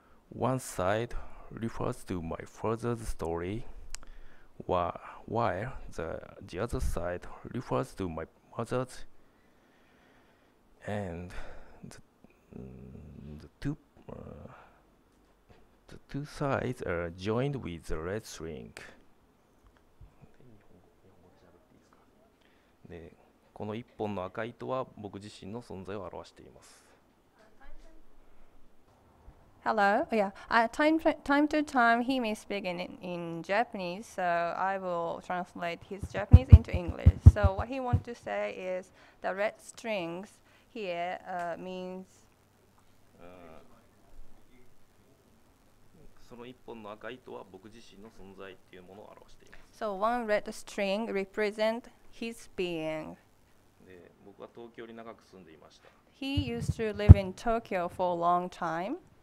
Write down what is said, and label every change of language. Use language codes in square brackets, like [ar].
[en] One side refers to my father's story, while the other side refers to my mother's, and the two two sides are joined with the red string. [ja] で、この一本の赤い糸は僕自身の存在を表しています。 [en] Hello, yeah. Time to time, he may speak in Japanese, so I will translate his Japanese into English. So what he wants to say is the red strings here means. [ja] その一本の赤い糸は僕自身の存在っていうものを表しています。 [en] So one red string represent his being. [ja] で、僕は東京に長く住んでいました。 [en] He used to live in Tokyo for a long time.